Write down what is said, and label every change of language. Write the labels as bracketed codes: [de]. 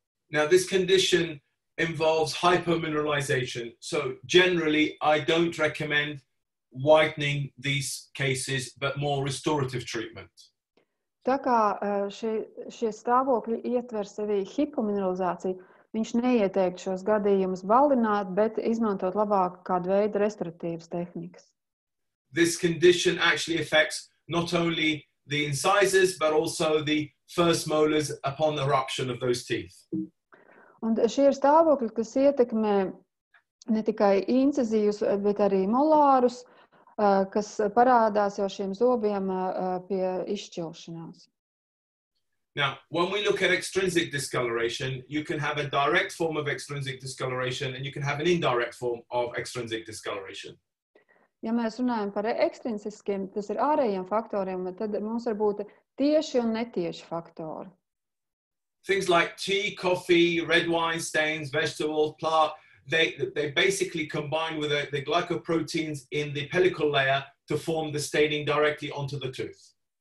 [en] Now, this condition involves hypomineralization, so generally I don't recommend whitening these cases, but more restorative treatment. [lv] Tā kā šie stāvokļi ietver sevī hipomineralizāciju, viņš neieteikt šos gadījumus balināt, bet izmantot labāk kādu veidu restoratīvas tehnikas. [en] This condition actually affects not only the incisors, but also the first molars upon the eruption of those teeth. [lv] Un šie ir stāvokļi, kas ietekmē ne tikai incizīvus, bet arī molārus, kas parādās jau šiem zobiem pie izšķilšanās. [en] Now, when we look at extrinsic discoloration, you can have a direct form of extrinsic discoloration and you can have an indirect form of extrinsic discoloration. [lv] Ja mēs runājam par ekstrinsiskiem, tas ir ārējiem faktoriem, tad mums var būt tieši un netieši faktori. [en] Things like tea, coffee, red wine stains, vegetables, plaque, they basically combine with the glycoproteins in the pellicle layer to form the staining directly onto the tooth.